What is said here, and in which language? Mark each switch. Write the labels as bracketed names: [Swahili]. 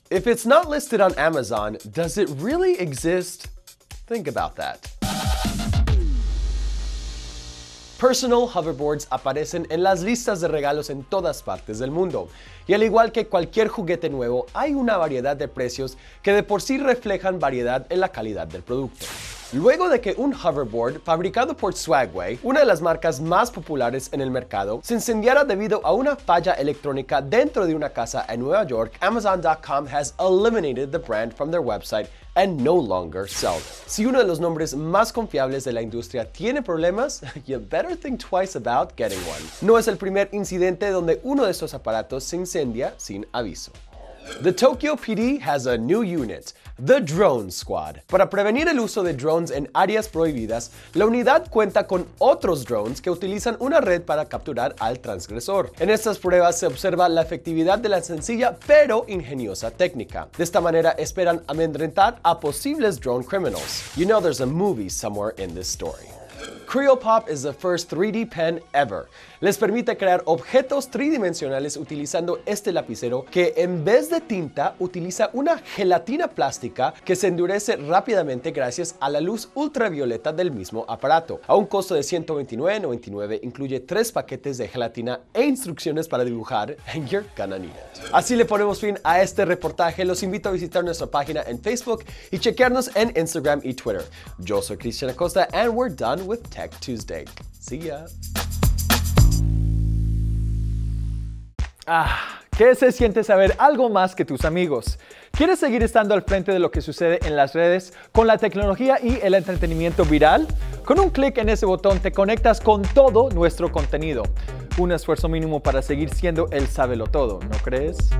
[English] If it's not listed on Amazon, does it really exist? Think about that. [Spanish] Personal hoverboards aparecen en las listas de regalos en todas partes del mundo. Y al igual que cualquier juguete nuevo, hay una variedad de precios que de por sí reflejan variedad en la calidad del producto. Luego de que un hoverboard fabricado por Swagway, una de las marcas más populares en el mercado, se incendiara debido a una falla electrónica dentro de una casa en Nueva York, Amazon.com [English] has eliminated the brand from their website and no longer sells it. [Spanish] Si uno de los nombres más confiables de la industria tiene problemas, [English] you better think twice about getting one. [Spanish] No es el primer incidente donde uno de estos aparatos se incendia sin aviso. [English] The Tokyo PD has a new unit, the Drone Squad. [Spanish] Para prevenir el uso de drones en áreas prohibidas, la unidad cuenta con otros drones que utilizan una red para capturar al transgresor. En estas pruebas se observa la efectividad de la sencilla pero ingeniosa técnica. De esta manera esperan amedrentar a posibles [English] drone criminals. You know there's a movie somewhere in this story. Creopop is the first 3D pen ever. [Spanish] Les permite crear objetos tridimensionales utilizando este lapicero que, en vez de tinta, utiliza una gelatina plástica que se endurece rápidamente gracias a la luz ultravioleta del mismo aparato. A un costo de $129.99, incluye 3 paquetes de gelatina e instrucciones para dibujar, [English] and you're gonna need it. [Spanish] Así le ponemos fin a este reportaje. Los invito a visitar nuestra página en Facebook y chequearnos en Instagram y Twitter. Yo soy [English] Cristian Acosta, and we're done with Tech Tuesday. See ya. [Spanish] Ah, ¿qué se siente saber algo más que tus amigos? ¿Quieres seguir estando al frente de lo que sucede en las redes con la tecnología y el entretenimiento viral? Con un clic en ese botón te conectas con todo nuestro contenido. Un esfuerzo mínimo para seguir siendo el sábelo todo, ¿no crees?